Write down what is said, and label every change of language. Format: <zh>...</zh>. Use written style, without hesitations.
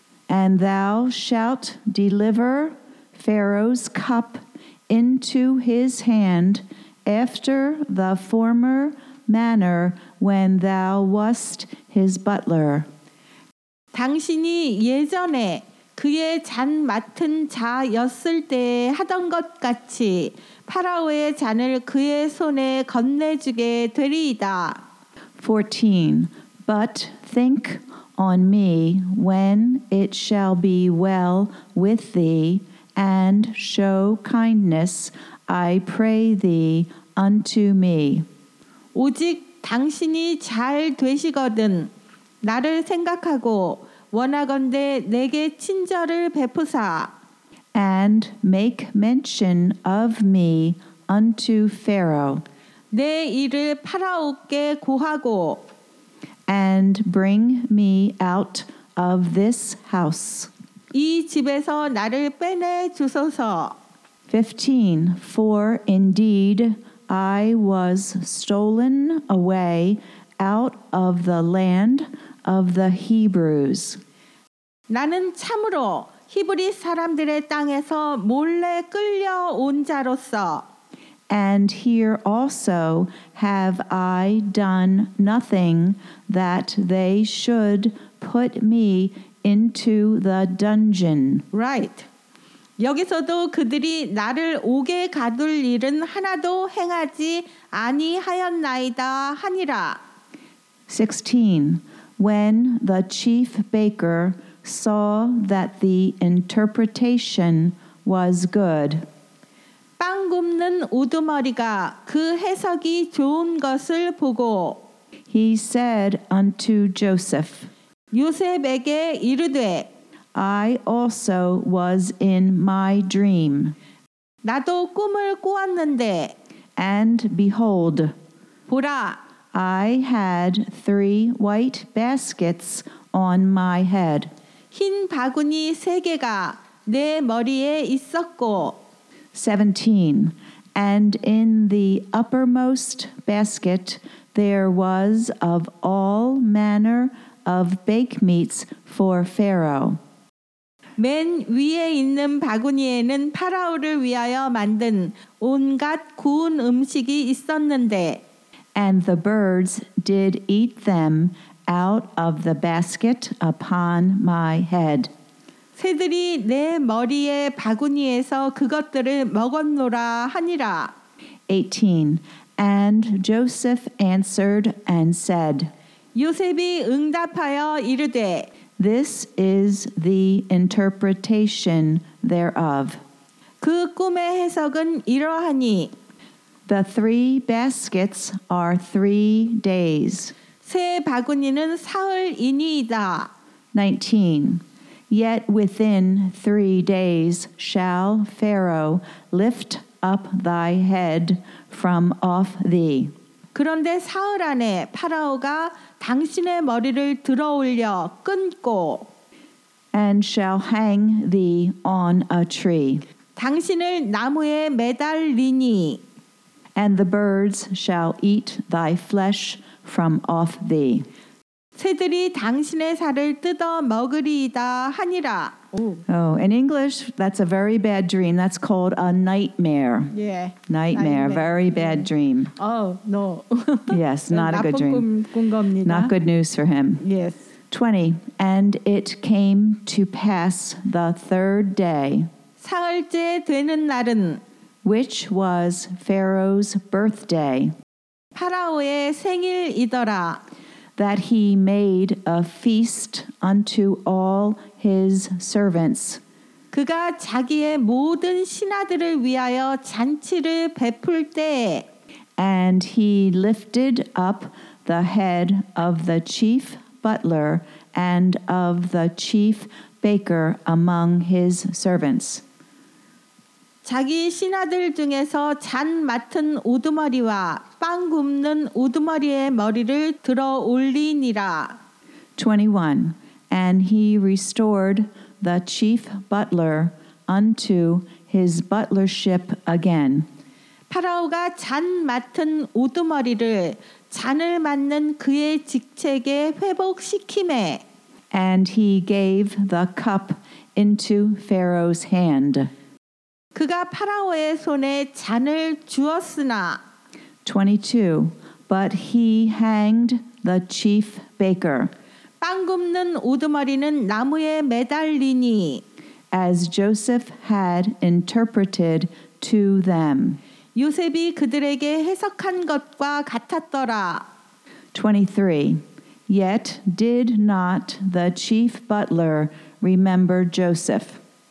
<en>And thou shalt deliver Pharaoh's cup into his hand after the former manner when thou wast his butler.</en> <ko>당신이 예전에 그의 잔 맡은 자였을 때 하던 것 같이 파라오의 잔을 그의 손에 건네주게 되리이다.</ko> <en>14. But think on me when it shall be well with thee, and show kindness, I pray thee, unto me.</en> <ko>오직 당신이 잘 되시거든 나를 생각하고 원하건대 내게 친절을 베푸사.</ko> <en>And make mention of me unto Pharaoh.</en> <ko>내 일을 파라오께 고하고.</ko> <en>And bring me out of this house.</en> <ko>이 집에서 나를 빼내 주소서.</ko> <en>15. For indeed I was stolen away out of the land of the Hebrews.</en> <ko>나는 참으로 히브리 사람들의 땅에서 몰래 끌려온 자로서.</ko> <en>And here also have I done nothing that they should put me into the dungeon. Right.</en> <ko>여기서도 그들이 나를 옥에 가둘 일은 하나도 행하지 아니하였나이다 하니라.</ko> <en>16. When the chief baker saw that the interpretation was good.</en> <ko>빵 굽는 우두머리가 그 해석이 좋은 것을 보고.</ko> <en>He said unto Joseph.</en> <ko>요셉에게 이르되.</ko> <en>I also was in my dream.</en> <ko>나도 꿈을 꾸었는데.</ko> <en>And behold.</en> <ko>보라.</ko> <en>I had three white baskets on my head.</en> <ko>흰 바구니 세 개가 내 머리에 있었고.</ko> <en>17. And in the uppermost basket there was of all manner of baked meats for Pharaoh.</en> <ko>맨 위에 있는 바구니에는 파라오를 위하여 만든 온갖 구운 음식이 있었는데.</ko> <en>And the birds did eat them out of the basket upon my head.</en> <ko>새들이 내 머리에 바구니에서 그것들을 먹었노라 하니라.</ko> <en>18. And Joseph answered and said.</en> <ko>요셉이 응답하여 이르되.</ko> <en>This is the interpretation thereof.</en> <ko>그 꿈의 해석은 이러하니.</ko> <en>The three baskets are 3 days.</en> <ko>세 바구니는 사흘이니이다.</ko> <en>19. Yet within 3 days shall Pharaoh lift up thy head from off thee.</en> <ko>그런데 사흘 안에 파라오가 당신의 머리를 들어올려 끊고.</ko> <en>And shall hang thee on a tree.</en> <ko>당신을 나무에 매달리니.</ko> <en>And the birds shall eat thy flesh from off thee.</en> <ko>새들이 당신의 살을 뜯어 먹으리이다 하니라.</ko> <en>Oh, in English, that's a very bad dream. That's called a nightmare. Yeah. Nightmare. Very bad dream. Oh, no. Yes, not a good dream.</en> <ko>꿈 겁니다.</ko> <en>Not good news for him. Yes. 20. And it came to pass the 3rd day.</en> <ko>사흘째 되는 날은.</ko> <en>Which was Pharaoh's birthday.</en> <ko>파라오의 생일이더라.</ko> <en>That he made a feast unto all his servants.</en> <ko>그가 자기의 모든 신하들을 위하여 잔치를 베풀 때.</ko> <en>And he lifted up the head of the chief butler and of the chief baker among his servants.</en> <ko>자기 신하들 중에서 잔 맡은 우두머리와 빵 굽는 우두머리의 머리를 들어 올리니라.</ko> <en>21. And he restored the chief butler unto his butlership again.</en> <ko>파라오가 잔 맡은 우두머리를 잔을 맡는 그의 직책에 회복시키매.</ko> <en>And he gave the cup into Pharaoh's hand.</en> <ko>그가 파라오의 손에 잔을 주었으나.</ko> <en>22. But he hanged the chief baker.</en> <ko>빵 굽는 우두머리는 나무에 매달리니.</ko> <en>As Joseph had interpreted to them.</en> <ko>요셉이 그들에게 해석한 것과 같았더라.</ko> <en>23. Yet did not the chief butler remember Joseph.</en>